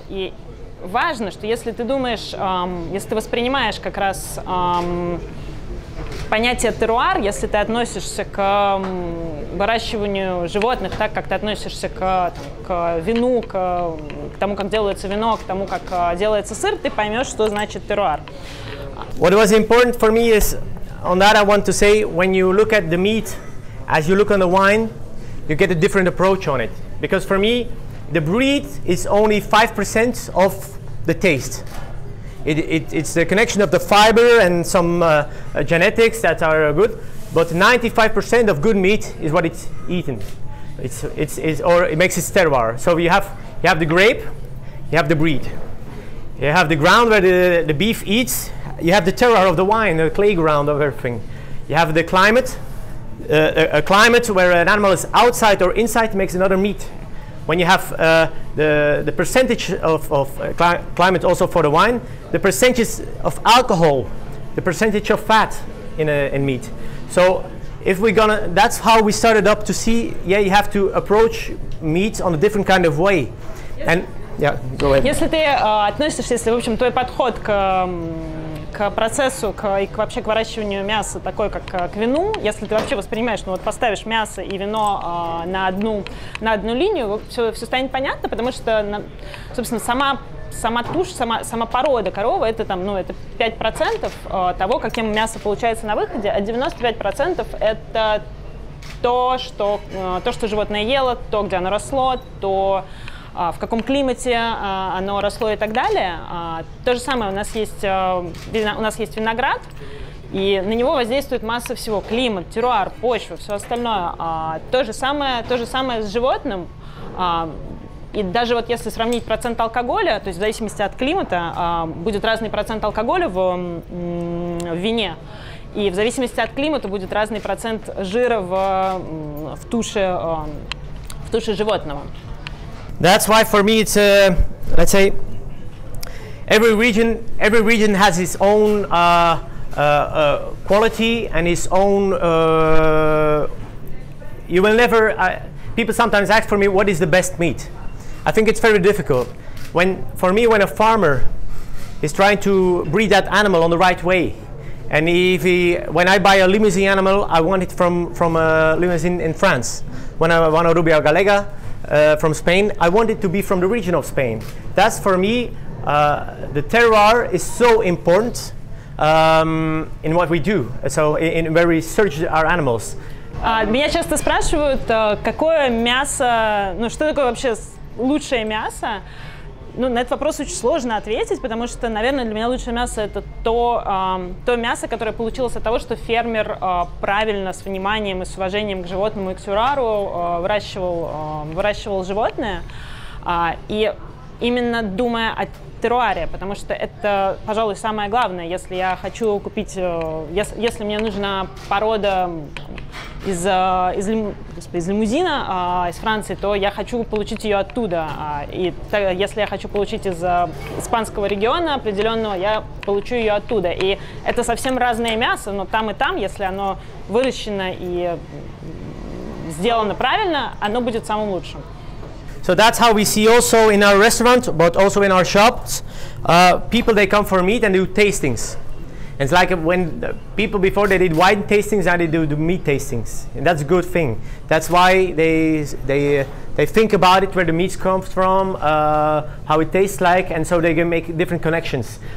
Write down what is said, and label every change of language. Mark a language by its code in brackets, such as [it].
[ru] И важно, что если ты думаешь, если ты воспринимаешь как раз понятие терруар, если ты относишься к выращиванию животных так, как ты относишься к вину, к тому, как делается вино, к тому, как делается сыр, ты поймешь, что значит терруар. [en] What was important for me is, on that I want to say, when you look at the meat, as you look on the wine, you get a different approach on it. Because for me, the breed is only 5% of the taste. It's the connection of the fiber and some genetics that are good, but 95% of good meat is what it's eaten. It makes its terroir. So you have the grape, you have the breed. You have the ground where the beef eats, you have the terroir of the wine, the clay ground of everything. You have the climate, a climate where an animal is outside or inside makes another meat. When you have the percentage of climate also for the wine, the percentage of alcohol, the percentage of fat in meat. So if we're gonna, that's how we started up to see, yeah, you have to approach meat on a different kind of way. Yes. And yeah, go ahead. [ru] Если ты относишься, если, в общем, твой подход к процессу, к вообще к выращиванию мяса такой, как к вину, если ты вообще воспринимаешь, ну вот поставишь мясо и вино на одну линию, все станет понятно, потому что, собственно, сама тушь, сама порода коровы, это там, ну, это 5% того, каким мясо получается на выходе, а 95% это то, что животное ело, то, где оно росло, то, в каком климате оно росло и так далее. То же самое, у нас есть виноград, и на него воздействует масса всего: климат, терруар, почва, все остальное. То же самое с животным. И даже вот если сравнить процент алкоголя, то есть в зависимости от климата будет разный процент алкоголя в вине, и в зависимости от климата будет разный процент жира в туше животного. [en] That's why for me it's let's say every region has its own quality and its own you will never people sometimes ask for me what is the best meat. I think it's very difficult. When a farmer is trying to breed that animal on the right way, and when I buy a Limousin animal, I want it from a Limousin in France. When I want a Rubia Gallega from Spain, I want it to be from the region of Spain. That's for me, the terroir is so important in what we do, so in where we search our animals. [ru] Меня часто спрашивают, какое мясо, ну что такое вообще лучшее мясо? Ну, на этот вопрос очень сложно ответить, потому что, наверное, для меня лучшее мясо – это то мясо, которое получилось от того, что фермер правильно, с вниманием и с уважением к животному и к терруару выращивал животное. И именно думая о терруаре, потому что это, пожалуй, самое главное. Если я хочу купить, если мне нужна порода из Лимузина, из Франции, то я хочу получить ее оттуда. Если я хочу получить из испанского региона определенного, я получу ее оттуда. И это совсем разное мясо, но там и там, если оно выращено и сделано правильно, оно будет самым лучшим. [en] So that's how we see also in our restaurant, but also in our shops. People, they come for meat and do tastings. And it's like when the people before they did wine tastings, now they do meat tastings, and that's a good thing. That's why they think about it, where the meat comes from, how it tastes like, and so they can make different connections.